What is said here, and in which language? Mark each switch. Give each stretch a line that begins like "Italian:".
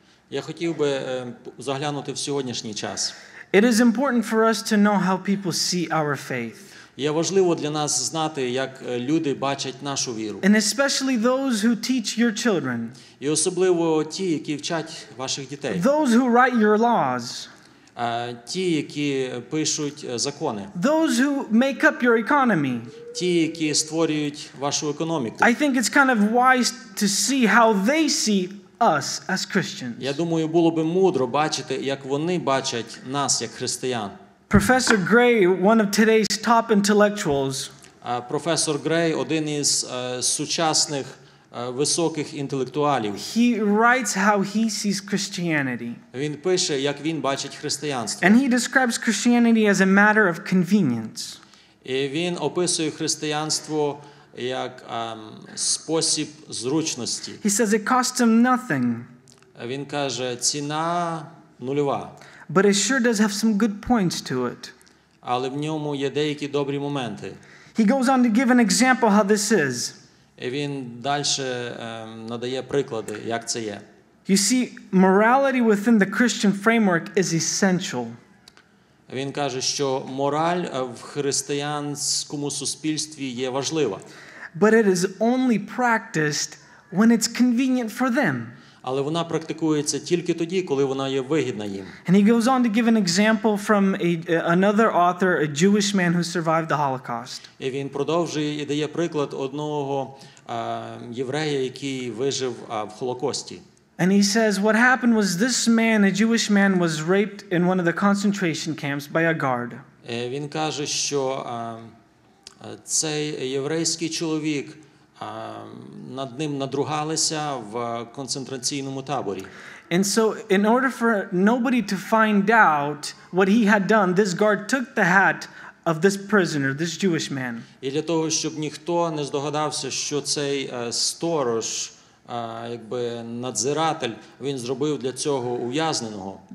Ukrainian: Я хотів би заглянути в сьогоднішній час.
English: It is important for us to know how people see our faith.
Ukrainian: Є важливо для нас знати, як люди бачать нашу віру.
English: And especially those who teach your children.
Ukrainian: І особливо ті, які вчать ваших дітей.
English: Those who write your laws.
Ukrainian: Ті, які пишуть закони.
English: Those who make up your economy.
Ukrainian: Ті, які створюють вашу економіку.
English: I think it's kind of wise to see how they see us as Christians.
Ukrainian: Я думаю, було би мудро бачити, як вони бачать нас як християн.
English: Professor Gray, one of today's top intellectuals.
Ukrainian: Професор Грей, один із сучасних високих інтелектуалів.
English: He writes how he sees Christianity.
Ukrainian: Він пише, як він бачить християнство.
English: And he describes Christianity as a matter of convenience.
Ukrainian: І він описує християнство як спосіб зручності.
English: He says it costs him nothing.
Ukrainian: Він каже, ціна нульова.
English: But it sure does have some good points to it.
Ukrainian: Але в ньому є деякі добрі моменти.
English: He goes on to give an example how this is.
Ukrainian: І він далі надає приклади, як це є.
English: You see, morality within the Christian framework is essential.
Ukrainian: Він каже, що мораль в християнському суспільстві є важлива.
English: But it is only practiced when it's convenient for them.
Ukrainian: Але вона практикується тільки тоді, коли вона є вигідна їм.
English: And he goes on to give an example from another author, a Jewish man who survived the Holocaust.
Ukrainian: І він продовжує і дає приклад одного єврея, який вижив в Холокості.
English: And he says, what happened was this man, a Jewish man, was raped in one of the concentration camps by a guard.
Ukrainian: Він каже, що цей єврейський чоловік над ним надругалися в концентраційному таборі.
English: And so, in order for nobody to find out what he had done, this guard took the hat of this prisoner, this Jewish man.
Ukrainian: І для того, щоб ніхто не здогадався, що цей сторож, якби надзиратель, він зробив для цього ув'язненого.